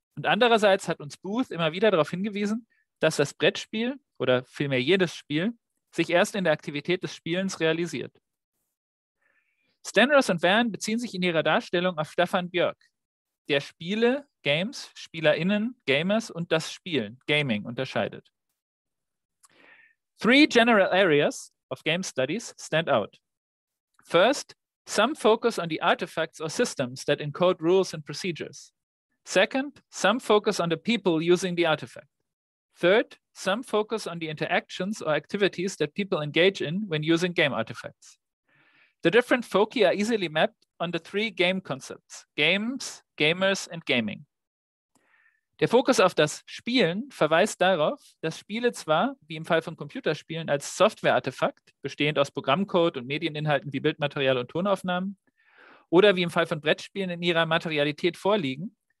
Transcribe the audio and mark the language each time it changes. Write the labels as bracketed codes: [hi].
[de] Und andererseits hat uns Booth immer wieder darauf hingewiesen, dass das Brettspiel, oder vielmehr jedes Spiel, sich erst in der Aktivität des Spielens realisiert. Stenros und Van beziehen sich in ihrer Darstellung auf Stefan Björk, der Spiele, Games, SpielerInnen, Gamers und das Spielen, Gaming, unterscheidet. [en] Three general areas of game studies stand out. First, some focus on the artifacts or systems that encode rules and procedures. Second, some focus on the people using the artifact. Third, some focus on the interactions or activities that people engage in when using game artifacts. The different foci are easily mapped on the three game concepts, games, gamers and gaming. [de] Der Fokus auf das Spielen verweist darauf, dass Spiele zwar, wie im Fall von Computerspielen, als Software-Artefakt, bestehend aus Programmcode und Medieninhalten wie Bildmaterial und Tonaufnahmen, oder wie im Fall von Brettspielen in ihrer Materialität vorliegen,